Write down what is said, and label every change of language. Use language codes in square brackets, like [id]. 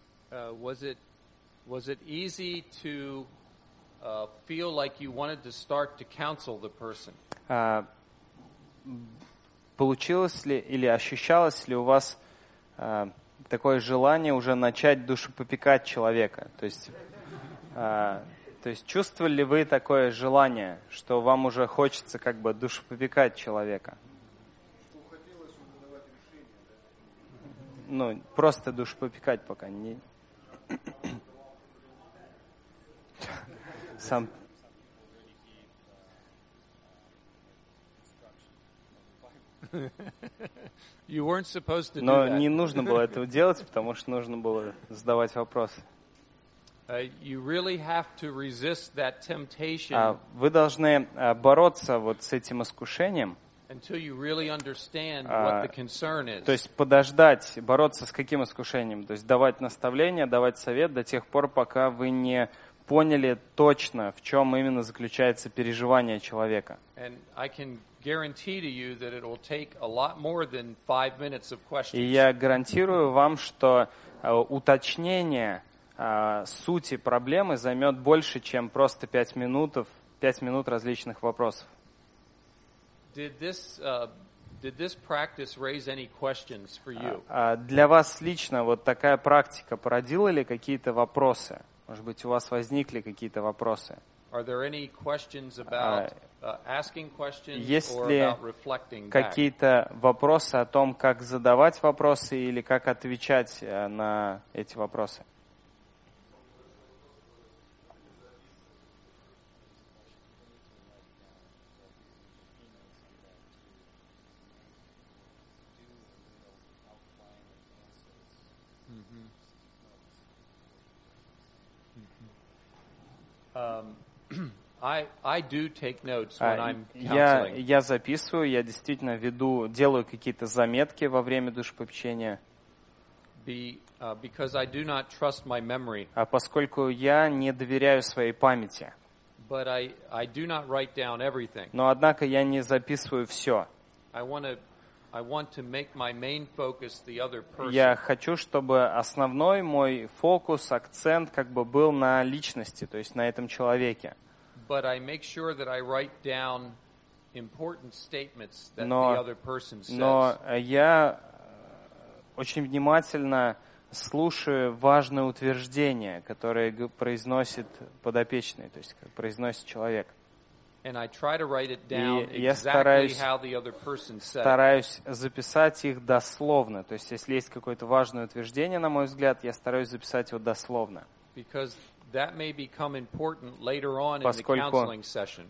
[en] Was it easy to feel like you wanted to start to counsel the person? [ru] Получилось ли или ощущалось ли у вас такое желание уже начать душепопекать человека? То есть чувствовали ли вы такое желание, что вам уже хочется как бы душепопекать человека? Ну, просто душу попекать пока не. Сам. [en] You weren't supposed to do that. [ru] Но не нужно было этого делать, потому что нужно было задавать вопросы. [en] You really have to resist that temptation. [ru] Вы должны бороться вот с этим искушением. [en] Until you really understand what the concern is. [ru] То есть подождать, бороться с каким искушением? То есть давать наставления, давать совет до тех пор, пока вы не поняли точно, в чем именно заключается переживание человека. [en] And I can guarantee to you that it will take a lot more than 5 minutes of questions. [ru] И я гарантирую вам, что уточнение сути проблемы займет больше, чем просто 5 минут различных вопросов. [en] Did this practice raise any questions for you? [ru] Для вас лично вот такая практика породила ли какие-то вопросы? Может быть, у вас возникли какие-то вопросы? [en] Are there any questions about asking questions or about reflecting back? [ru] Есть ли какие-то вопросы о том, как задавать вопросы или как отвечать на эти вопросы? [en] I do take notes when I'm counseling. [ru] Я записываю, я действительно веду, делаю какие-то заметки во время душепопечения. [en] Because I do not trust my memory. [ru] А поскольку я не доверяю своей памяти. [en] But I do not write down everything. [ru] Но однако я не записываю все. [en] I want to make my main focus the other person. [ru] Я хочу, чтобы основной мой фокус, акцент как бы был на личности, то есть на этом человеке. [en] But I make sure that I write down important statements that the other person says. [ru] Но я очень внимательно слушаю важные утверждения, которые произносит подопечный, то есть произносит человек. [en] And I try to write it down exactly how the other person said. [ru] Стараюсь записать их дословно. То есть, если есть какое-то важное утверждение, на мой взгляд, я стараюсь записать его дословно. [en] Because that may become important later on in the counseling session.